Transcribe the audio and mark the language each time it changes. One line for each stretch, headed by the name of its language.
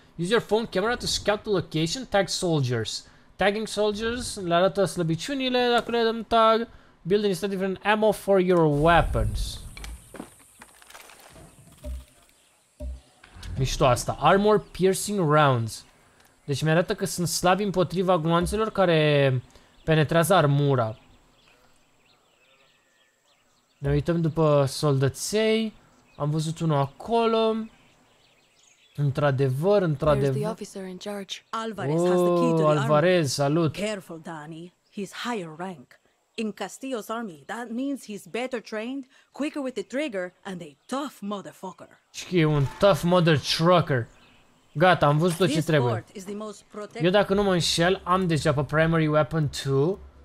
English: Use your phone camera to scout the location, tag soldiers. Tagging soldiers
Romanian: le arată slăbiciunile dacă le dăm tag.
English: Building instead of an ammo for your weapons.
Romanian: Mișto asta.
English: Armor piercing rounds.
Romanian: Deci mi-arată că sunt slabi împotriva gloanțelor care penetrează armura. Ne uităm după soldăței. Am văzut unul acolo. Într-adevăr, într-adevăr. Alvarez,
English: oh, has the key to the Alvarez, salut. Careful, Danny. He's higher rank. In Castillo's army, that means he's better trained, quicker with the trigger, and a tough motherfucker.
Romanian: Și e un
English: tough mother trucker.
Romanian: Gata, am văzut tot ce trebuie. Eu dacă nu mă înșel, am deja pe primary weapon 2.